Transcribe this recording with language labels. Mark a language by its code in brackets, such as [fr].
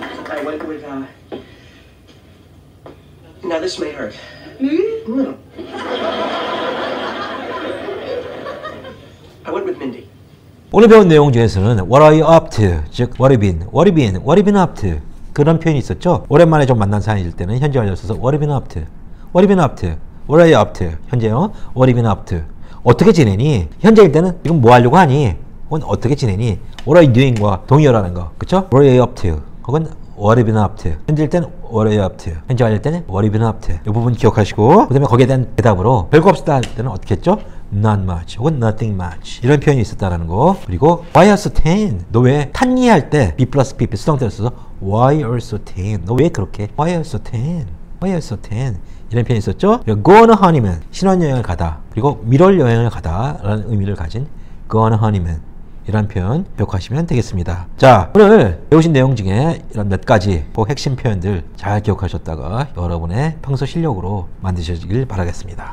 [en] I went with, Now, this may hurt. Hmm? No. I went with Mindy. [ko] 오늘 배운 내용 중에서는 [en] What are you up to? 즉, What have you been? What have you been? What have you been up to? [ko] 그런 표현이 있었죠? 오랜만에 좀 만난 사람일 때는 현재 알려줘서 [en] What have you been up to? What have you been up to? What are you up to? [ko] 현재요? [en] What have you been up to? [ko] 어떻게 지내니? 현재일 때는 지금 뭐 하려고 하니? 혹은 어떻게 지내니? [en] What are you doing? [ko] 과 동의어라는 거. 그쵸? [en] What are you up to? 혹은 What have you been up to? [ko] 현재일 때는 [en] What are you up to? [ko] 현재 아닐 때는 [en] What have you been up to? [ko] 이 부분 기억하시고 그 다음에 거기에 대한 대답으로 별거 없었다 할 때는 어떻게 했죠? [en] Not much [ko] 혹은 [en] Nothing much [ko] 이런 표현이 있었다라는 거. [en] 그리고 Why are you so tan? [ko] 너 왜 탄니 할 때 B plus PP 수동태를 써서 [en] Why are you so tan? [ko] 너 왜 그렇게? [en] Why are you so tan? Why are you so tan? [ko] 이런 표현이 있었죠? 그리고 [en] Go on a honeymoon [ko] 신혼여행을 가다 그리고 미뤄여행을 가다 라는 의미를 가진 Go on a honeymoon 이런 표현 기억하시면 되겠습니다. 자, 오늘 배우신 내용 중에 이런 몇 가지 꼭 핵심 표현들 잘 기억하셨다가 여러분의 평소 실력으로 만드시길 바라겠습니다.